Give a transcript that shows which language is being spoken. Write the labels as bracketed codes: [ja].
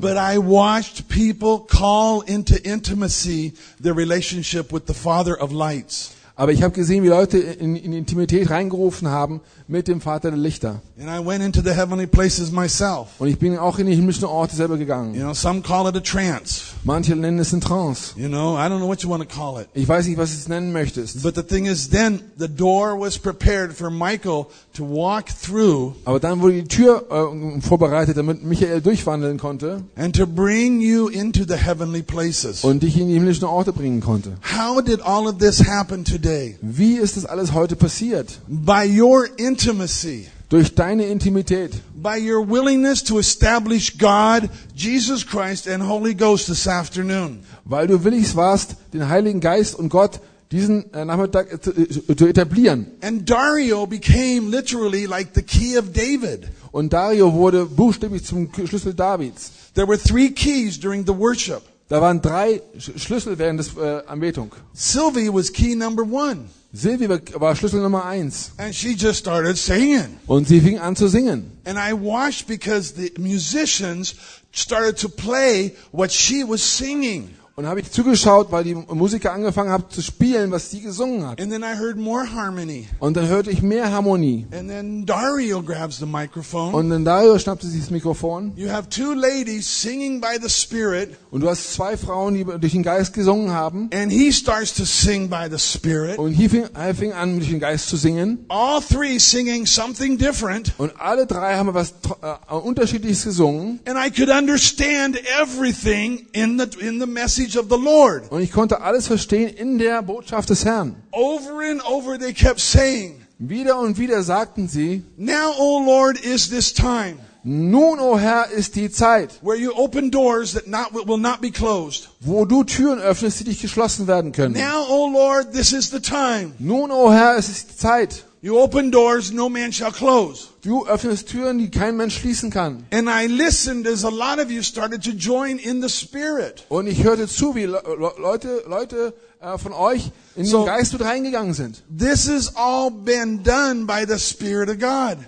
[en] But I watched people call into intimacy their relationship with the Father of Lights. [de] Aber ich habe gesehen, wie Leute in Intimität reingerufen haben mit dem Vater der Lichter. [en] And I went into the heavenly places myself. [de] Und ich bin auch in die himmlischen Orte selber gegangen. [en] You know, some call it a trance. [de] Manche nennen es ein Trance. [en] You know, I don't know what you want to call it. [de] Ich weiß nicht, was du es nennen möchtest. [en] But the thing is, then the door was prepared for Michael to walk through. [de] Aber dann wurde die Tür vorbereitet, damit Michael durchwandeln konnte. [en] And to bring you into the heavenly places. [de] Und dich in die himmlischen Orte bringen konnte. [en] How did all of this happen to? [de] Wie ist das alles heute passiert? [en] By your intimacy. [de] Durch deine Intimität. [en] By your willingness to establish God, Jesus Christ and Holy Ghost this afternoon. [de] Weil du willig warst, den Heiligen Geist und Gott diesen Nachmittag zu etablieren. [en] And Dario became literally like the key of David. [de] Und Dario wurde buchstäblich zum Schlüssel Davids. [en] There were three keys during the worship. [de] Da waren drei Schlüssel während der Anbetung. [en] Sylvie was key number one. [de] Sylvie war Schlüssel Nummer eins. [en] And she just started singing. [de] Und sie fing an zu singen. [en] And I watched because the musicians started to play what she was singing. [de] Und habe ich zugeschaut, weil die Musiker angefangen haben zu spielen, was sie gesungen hat. [en] And then I heard more harmony. [de] Und dann hörte ich mehr Harmonie. [en] And then Dario grabs the microphone. [de] Und dann Dario schnappte sich das Mikrofon. [en] You have two ladies singing by the Spirit. [de] Und du hast zwei Frauen, die durch den Geist gesungen haben. [en] And he starts to sing by the Spirit. [de] Und er fing an, durch den Geist zu singen. [en] All three singing something different. [de] Und alle drei haben etwas Unterschiedliches gesungen. [en] And I could understand everything in the message. Of the Lord. [de] Und ich konnte alles verstehen in der Botschaft des Herrn. [en] Over and over they kept saying. [de] Wieder und wieder sagten sie. [en] Now, O Lord, is this time. [de] Nun, O Herr, ist die Zeit. [en] Where you open doors that will not be closed. [de] Wo du Türen öffnest, die nicht geschlossen werden können. [en] Now, O Lord, this is the time. [de] Nun, O Herr, es ist die Zeit. [en] You open doors, no man shall close. [de] Du öffnest Türen, die kein Mensch schließen kann. [en] And I listened as a lot of you started to join in the Spirit. [de] Und ich hörte zu, wie Leute von euch in den Geist mit reingegangen sind. [en] This has all been done by the Spirit of God.